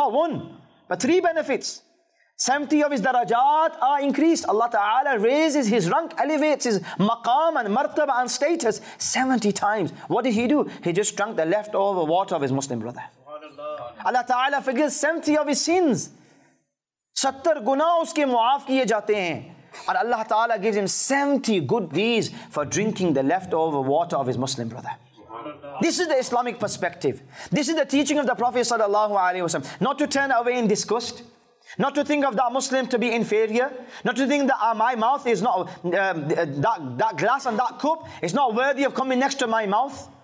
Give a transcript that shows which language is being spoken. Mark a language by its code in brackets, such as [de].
[en] Not one, but three benefits. 70 of his darajat are increased. Allah Ta'ala raises his rank, elevates his maqam and martaba and status 70 times. What did he do? He just drank the leftover water of his Muslim brother. Allah Ta'ala forgives 70 of his sins. [ur] 70 گناہ اس کے معاف کیے جاتے ہیں۔ [en] And Allah Ta'ala gives him 70 good deeds for drinking the leftover water of his Muslim brother. This is the Islamic perspective. This is the teaching of the Prophet sallallahu alaihi wasallam. Not to turn away in disgust. Not to think of that Muslim to be inferior. Not to think that my mouth is not, that glass and that cup is not worthy of coming next to my mouth.